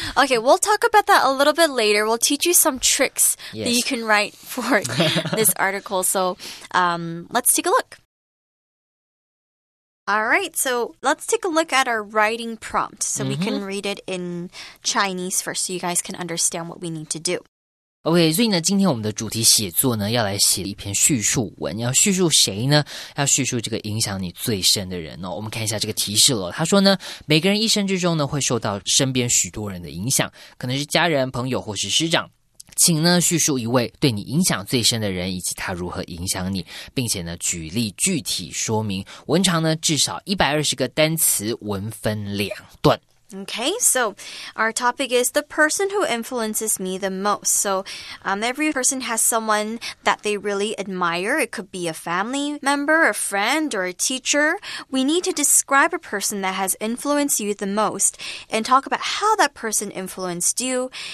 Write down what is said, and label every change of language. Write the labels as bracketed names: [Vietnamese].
[English] Okay, we'll talk about that a little bit later. We'll teach you some tricks that you can write for this article. So let's take a look. Alright, so let's take a look at our writing prompt so we can read it in Chinese first so you guys can understand what we need to do. [Chinese] OK, 所以呢今天我们的主题写作呢要来写一篇叙述文，要叙述谁呢？要叙述这个影响你最深的人哦。我们看一下这个提示了，他说呢，每个人一生之中呢会受到身边许多人的影响，可能是家人、朋友或是师长。请呢叙述一位对你影响最深的人以及他如何影响你，并且呢举例具体说明，文长呢至少120个单词，文分两段。 [English] Okay, so our topic is the person who influences me the most. So every person has someone that they really admire. It could be a family member, a friend, or a teacher. We need to describe a person that has influenced you the most and talk about how that person influenced you.